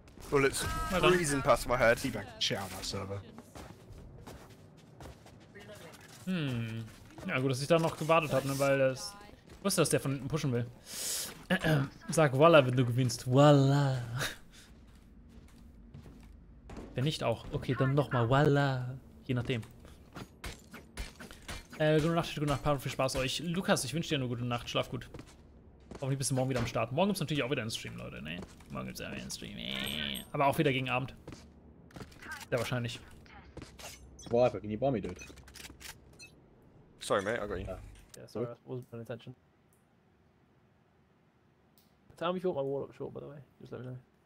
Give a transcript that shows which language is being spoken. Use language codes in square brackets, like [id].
[en] Bullets freezing past my head. He's back to chat on that server. [de] Ja, gut, dass ich da noch gewartet habe, ne, weil das. Ich wusste, dass der von hinten pushen will. Sag Walla, wenn du gewinnst. Walla. Wenn nicht auch. Okay, dann nochmal Walla. Je nachdem. Gute Nacht, Paro, viel Spaß euch. Lukas, ich wünsche dir eine gute Nacht, schlaf gut. Hoffentlich bist du morgen wieder am Start. Morgen gibt's natürlich auch wieder einen Stream, Leute, ne? Morgen gibt's auch wieder einen Stream, aber auch wieder gegen Abend. Sehr wahrscheinlich. [en] Viper, can you buy me, dude? Sorry, mate, I got you. Yeah, sorry, I wasn't paying attention. Tell me if you want my wall up short, by the way. Just let me know.